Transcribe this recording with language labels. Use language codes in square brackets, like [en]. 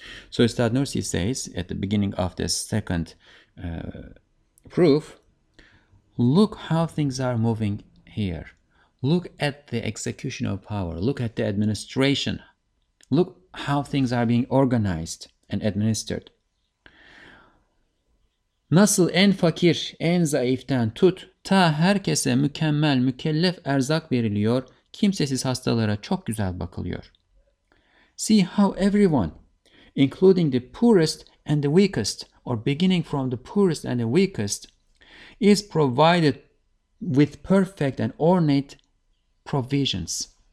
[en] So Ustad Nursi says at the beginning of this second proof, look how things are moving here. Look at the execution of power. Look at the administration. Look how things are being organized and administered. [tr] Nasıl en fakir, en zayıftan tut, ta herkese mükemmel, mükellef erzak veriliyor, kimsesiz hastalara çok güzel bakılıyor. [en] See how everyone, including the poorest and the weakest, or beginning from the poorest and the weakest, is provided with perfect and ornate provisions.